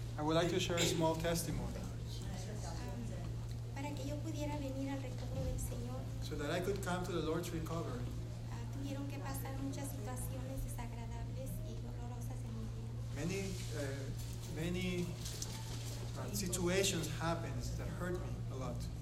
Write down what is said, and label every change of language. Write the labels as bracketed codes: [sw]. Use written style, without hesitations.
[en] I would like to share a small testimony. [es] Para que yo pudiera venir al recobro del Señor. [en] So that I could come to the Lord's recovery. [es] Tuvieron que pasar muchas situaciones desagradables y dolorosas en mi vida. [en] Many situations happened that hurt me a lot.